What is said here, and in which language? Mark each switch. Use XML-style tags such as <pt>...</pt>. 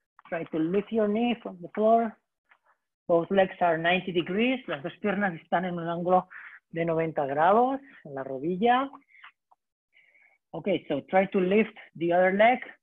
<en>Try to lift your knee from the floor. Both legs are 90 degrees.</en> <es>Las dos piernas están en un ángulo de 90 grados en la rodilla.</es> <en>Okay, so try to lift the other leg.</en>